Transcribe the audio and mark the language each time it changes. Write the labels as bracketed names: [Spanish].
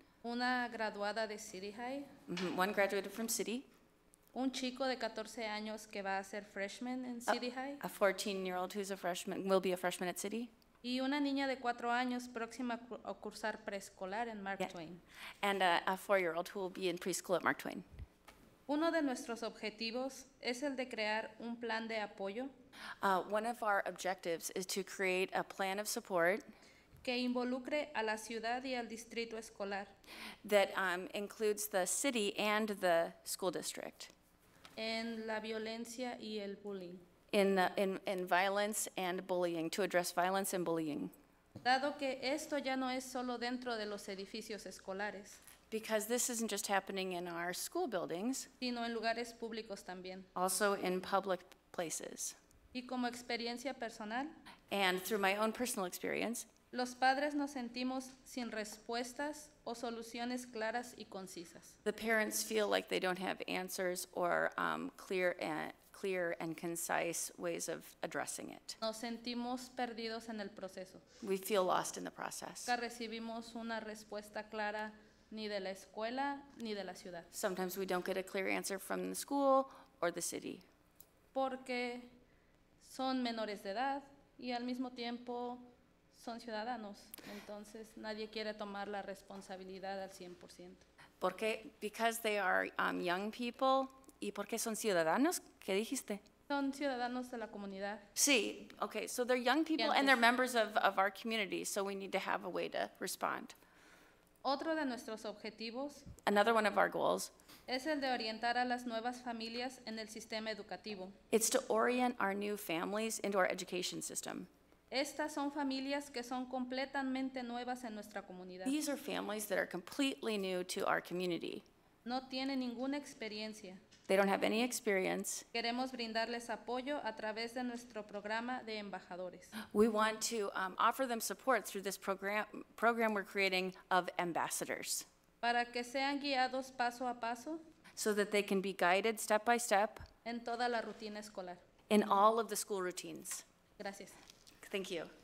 [Spanish] Una graduada de City High. [English] Mm-hmm, one graduated from City. [Spanish] Un chico de 14 años que va a ser freshman en City High. [English] A 14-year-old who's a freshman, will be a freshman at City. [Spanish] Y una niña de 4 años próxima a cursar preescolar en Mark Twain. [English] And a 4-year-old who will be in preschool at Mark Twain. [Spanish] Uno de nuestros objetivos es el de crear un plan de apoyo. [English] One of our objectives is to create a plan of support [Spanish] que involucre a la ciudad y al distrito escolar. [English] That includes the city and the school district. [Spanish] En la violencia y el bullying. [English] In violence and bullying, to address violence and bullying. [Spanish] Dado que esto ya no es solo dentro de los edificios escolares. [English] Because this isn't just happening in our school buildings, [Spanish] sino en lugares públicos también. [English] Also in public places. [Spanish] Y como experiencia personal, [English] and through my own personal experience, [Spanish] los padres nos sentimos sin respuestas o soluciones claras y concisas. [English] The parents feel like they don't have answers or clear and concise ways of addressing it. [Spanish] Nos sentimos perdidos en el proceso. [English] We feel lost in the process. [Spanish] Nunca recibimos una respuesta clara ni de la escuela ni de la ciudad. [English] Sometimes we don't get a clear answer from the school or the city. [Spanish] Porque son menores de edad y al mismo tiempo son ciudadanos. Entonces nadie quiere tomar la responsabilidad al 100%. Porque, [English] because they are young people. [Spanish] ¿Y por qué son ciudadanos? ¿Qué dijiste? Son ciudadanos de la comunidad. [English] Sí, okay, so they're young people and they're members of our community, so we need to have a way to respond. [Spanish] Otro de nuestros objetivos, [English] another one of our goals, [Spanish] es el de orientar a las nuevas familias en el sistema educativo. [English] It's to orient our new families into our education system. [Spanish] Estas son familias que son completamente nuevas en nuestra comunidad. [English] These are families that are completely new to our community. [Spanish] No tienen ninguna experiencia. [English] They don't have any experience. [Spanish] Queremos brindarles apoyo a través de nuestro programa de embajadores. [English] We want to offer them support through this program we're creating of ambassadors. [Spanish] Para que sean guiados paso a paso. [English] So that they can be guided step by step. [Spanish] En toda la rutina escolar. [English] In all of the school routines. [Spanish] Gracias. [English] Thank you.